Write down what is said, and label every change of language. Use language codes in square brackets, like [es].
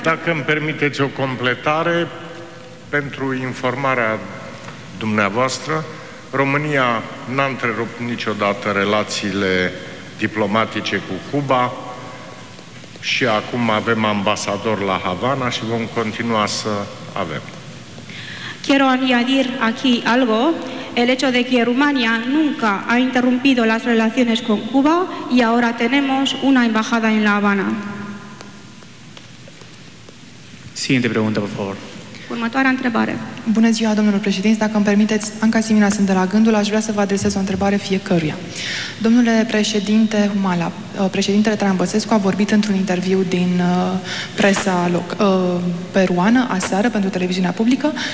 [ro] Dacă îmi permiteți o completare pentru informarea dumneavoastră, România n-a întrerupt niciodată relațiile diplomatice cu Cuba și acum avem ambasador la Havana și vom continua să avem. [es] Quiero añadir aquí algo. el hecho de que Rumania nunca ha interrumpido las relaciones con Cuba y ahora tenemos una embajada en La Habana. Siguiente pregunta, por favor. [ro] Următoarea întrebare. Bună ziua, domnule președinte. Dacă îmi permiteți, Anca Simina sunt de la Gândul. Aș vrea să vă adresez o întrebare fiecăruia. Domnule președinte Humala, președintele Traian Băsescu a vorbit într-un interviu din presa peruană aseară pentru televiziunea publică.